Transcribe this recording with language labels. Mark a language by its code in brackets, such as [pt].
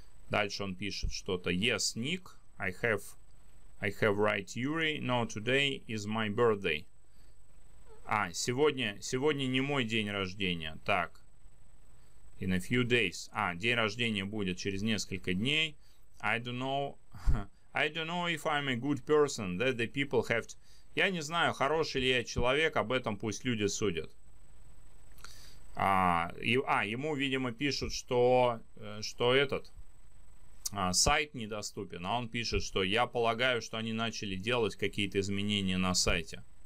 [ru] Дальше он пишет что-то. [en] Yes, Nick, I have right, Yuri. No, today is my birthday. [ru] А, сегодня не мой день рождения. [en] Так. In a few days. [ru] А, день рождения будет через несколько дней. [en] I don't know if I'm a good person. That the people have to... [ru] Я не знаю, хороший ли я человек, об этом пусть люди судят. Ему, видимо, пишут, что этот сайт недоступен. А он пишет, что я полагаю, что они начали делать какие-то изменения на сайте.